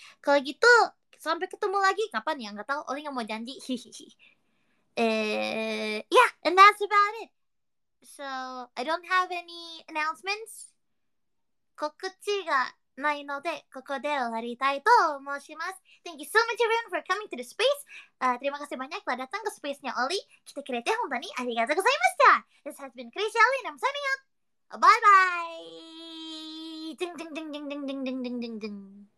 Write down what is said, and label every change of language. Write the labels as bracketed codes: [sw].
[id] Kalau gitu, sampai ketemu lagi. Kapan ya? Nggak tahu. Oli nggak mau janji. [en] Yeah, and that's about it. So I don't have any announcements. [ja] 告知がないのでここで終わりたいと申します。 [en] Thank you so much everyone for coming to the space. [id] Terima kasih banyak telah datang ke space nya Oli. [ja] 来てくれて本当にありがとうございました。 [en] This has been Chrissy Oli and I'm signing out. Bye bye. Ding ding ding ding ding ding ding ding ding ding.